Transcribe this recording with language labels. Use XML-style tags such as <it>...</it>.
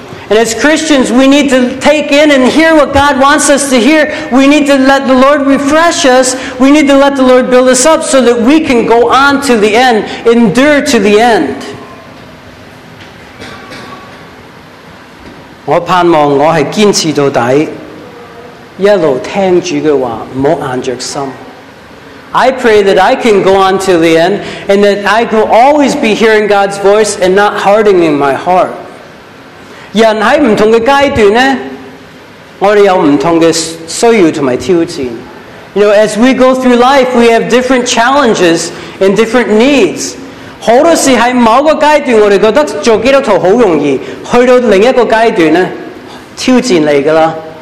<en>And as Christians, we need to take in and hear what God wants us to hear. We need to let the Lord refresh us. We need to let the Lord build us up so that we can go on to the end, endure to the end.</en> <zh>我盼望我是坚持到底，一路听主的话，不要硬着心。</zh> <en>I pray that I can go on to the end and that I will always be hearing God's voice and not hardening my heart.</en> <zh>人在不同的阶段呢，我们有不同的需要和挑战。</zh> <en>You know, as we go through life, we have different challenges and different needs.</en> <zh>很多时在某个阶段我们觉得做基督徒很容易，去到另一个阶段呢，挑战来的了。</zh>